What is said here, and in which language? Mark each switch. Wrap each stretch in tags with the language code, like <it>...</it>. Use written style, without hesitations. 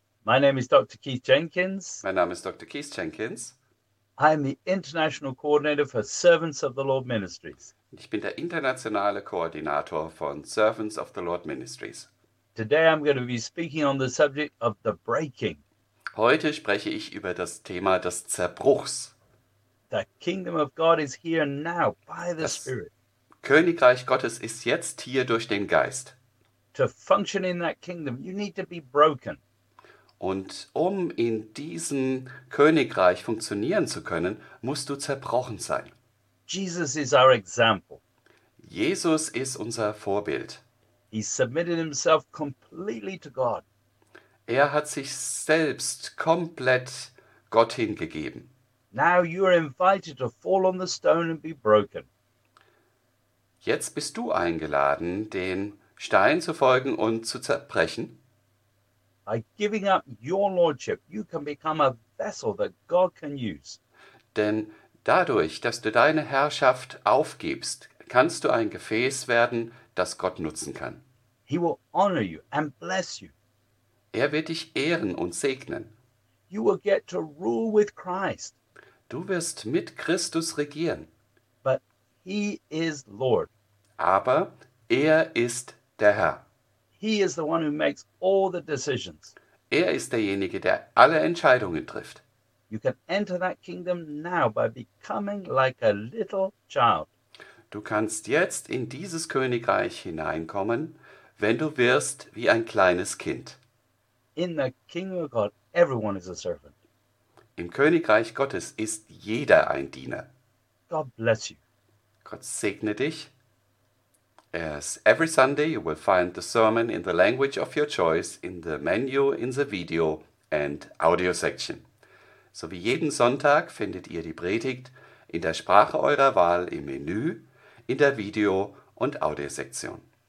<en>My name is Dr. Keith Jenkins.</en> <de>Mein Name ist Dr. Keith Jenkins.</de> <en>I am the International Coordinator for Servants of the Lord Ministries.</en> <de>Ich bin der internationale Koordinator von Servants of the Lord Ministries.</de> <en>Today I'm going to be speaking on the subject of the breaking.</en> <de>Heute spreche ich über das Thema des Zerbruchs.</de> <en>The kingdom of God is here now by the Spirit.</en> <de>Königreich Gottes ist jetzt hier durch den Geist.</de> <en>To function in that kingdom, you need to be broken.</en> <de>Und um in diesem Königreich funktionieren zu können, musst du zerbrochen sein.</de> <en>Jesus is our example.</en> <de>Jesus ist unser Vorbild.</de> <en>He submitted himself completely to God.</en> <de>Er hat sich selbst komplett Gott hingegeben.</de> <en>Now you are invited to fall on the stone and be broken.</en> <de>Jetzt bist du eingeladen, den Stein zu folgen und zu zerbrechen.</de> <en>By giving up your lordship, you can become a vessel that God can use.</en> <de>Denn dadurch, dass du deine Herrschaft aufgibst, kannst du ein Gefäß werden, das Gott nutzen kann.</de> <en>He will honor you and bless you.</en> <de>Er wird dich ehren und segnen.</de> <en>You will get to rule with Christ.</en> <de>Du wirst mit Christus regieren.</de> <en>But he is Lord.</en> <de>Aber er ist der Herr.</de> <en>He is the one who makes all the decisions.</en> <de>Er ist derjenige, der alle Entscheidungen trifft.</de> <en>You can enter that kingdom now by becoming like a little child.</en> <de>Du kannst jetzt in dieses Königreich hineinkommen, wenn du wirst wie ein kleines Kind.</de> <en>In the kingdom of God, everyone is a servant.</en> <de>Im Königreich Gottes ist jeder ein Diener.</de> <en>God bless you.</en> <de>Gott segne dich.</de> <en>As every Sunday, you will find the sermon in the language of your choice in the menu, in the video and audio section.</en> <de>So wie jeden Sonntag findet ihr die Predigt in der Sprache eurer Wahl im Menü, in der Video- und Audiosektion.</de>